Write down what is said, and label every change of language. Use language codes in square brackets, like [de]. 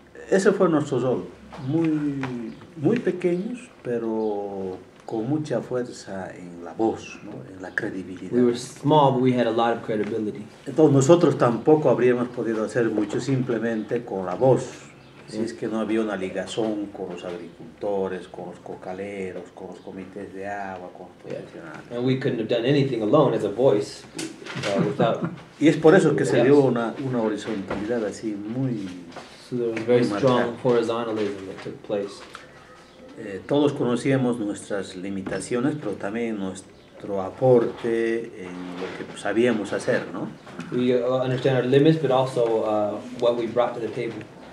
[es] Ese fue nuestro rol, muy muy pequeños, pero con mucha fuerza en la voz, ¿no? En la credibilidad. [en] We were small, but we had a lot of credibility. [es] Entonces nosotros tampoco habríamos podido hacer mucho simplemente con la voz, sí. Si es que no había una ligazón con los agricultores, con los cocaleros, con los comités de agua, con los profesionales. [en] And we couldn't have done anything alone as a voice, without. [es] Y es por eso que se dio una horizontalidad así muy. [en] So there was very strong horizontalism that took place. [es] Todos conocíamos nuestras limitaciones, pero también nuestro aporte en lo que sabíamos hacer, ¿no? [en] We understand our limits, but also what we brought to the table.